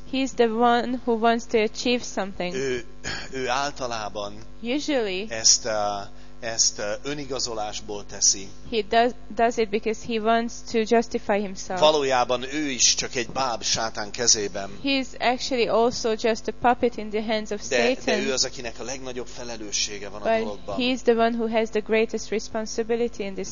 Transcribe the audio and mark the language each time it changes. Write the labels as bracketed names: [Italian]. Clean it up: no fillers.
[English] He's the one who wants to achieve something. [Hungarian] Ő általában. [English] Usually. [Hungarian] Ezt önigazolásból teszi. [English] He does it because he wants to justify himself. [Hungarian] Valójában ő is csak egy báb Sátán kezében. [English] He is actually also just a puppet in the hands of Satan. [Hungarian] De ő az, akinek a legnagyobb felelőssége van [English] but [Hungarian] a dologban. [English] He is the one who has the greatest responsibility in this